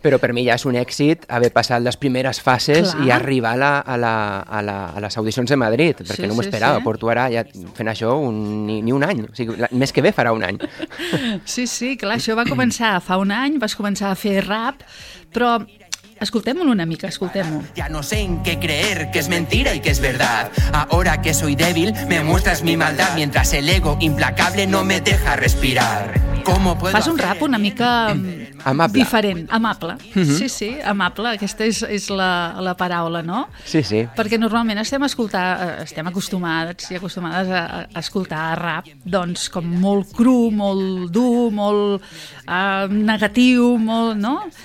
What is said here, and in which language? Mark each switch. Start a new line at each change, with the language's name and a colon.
Catalan: Però per mi ja és un èxit haver passat les primeres fases. Clar. I arribar a les audicions de Madrid, perquè sí, no m'ho esperava. Sí. Porto ara ja fent això ni un any. O sigui, més que bé farà un any. Sí, sí, clar, això va començar fa un any, vas començar a fer rap, però... Escoltem-lo una mica, escoltem-lo.
Spanish: Ya no sé en qué creer, que es mentira y que es verdad. Ahora que soy débil, me muestras mi maldad, mientras el ego implacable no me deja respirar. ¿Cómo puedo
Catalan: Fas un rap una mica... Amable. Diferent, amable. Sí, sí, amable, aquesta és la paraula, no? Sí, sí. Perquè normalment estem acostumats i acostumades a escoltar rap, doncs, com molt cru, molt dur, molt negatiu, molt, no?